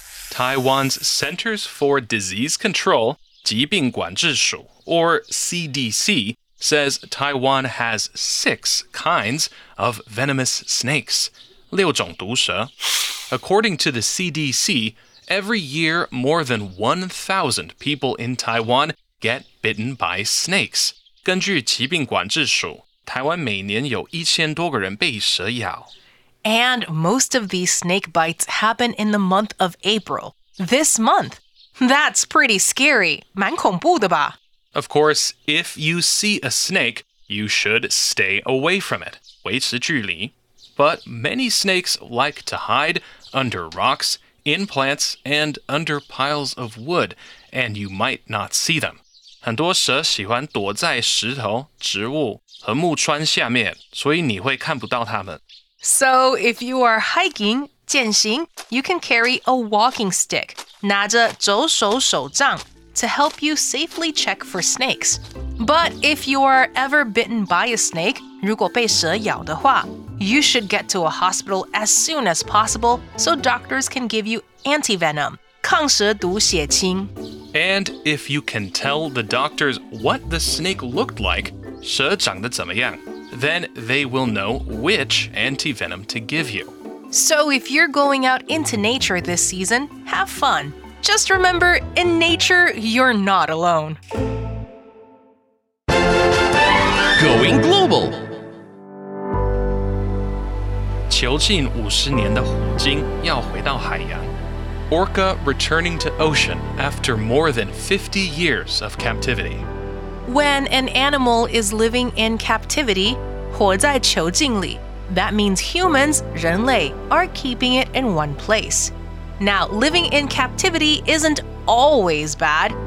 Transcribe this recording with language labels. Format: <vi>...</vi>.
<en>Taiwan's Centers for Disease Control, 疾病管制署, or CDC, says Taiwan has 6 kinds of venomous snakes,</en> <zh>六種毒蛇.</zh> <en>According to the CDC, every year more than 1,000 people in Taiwan get bitten by snakes.</en> <zh>根據疾病管制署,台灣每年有一千多個人被蛇咬。</zh> <en>And most of these snake bites happen in the month of April, this month. That's pretty scary,</en> <zh>蛮恐怖的吧?</zh> <en>Of course, if you see a snake, you should stay away from it,</en> <zh>维持距离。</zh> <en>But many snakes like to hide under rocks, in plants, and under piles of wood, and you might not see them.</en> <zh>很多蛇喜欢躲在石头、植物和木樁下面，所以你会看不到它们。</zh> <en>So if you are hiking,</en> <zh>健行,</zh> <en>you can carry a walking stick,</en> <zh>拿着走手手杖,</zh> <en>to help you safely check for snakes. But if you are ever bitten by a snake,</en> <zh>如果被蛇咬的话,</zh> <en>you should get to a hospital as soon as possible so doctors can give you antivenom,</en> <zh>抗蛇毒血清。</zh> <en>And if you can tell the doctors what the snake looked like,</en> <zh>蛇长得怎么样,</zh> <en>then they will know which antivenom to give you. So if you're going out into nature this season, have fun. Just remember, in nature, you're not alone. Going global.</en> <zh>囚禁五十年的虎鲸要回到海洋。</zh> <en>Orca returning to ocean after more than 50 years of captivity. When an animal is living in captivity,</en> <zh>活在囚禁裡,</zh> <en>that means humans,</en> <zh>人類,</zh> <en>are keeping it in one place. Now, living in captivity isn't always bad.</en>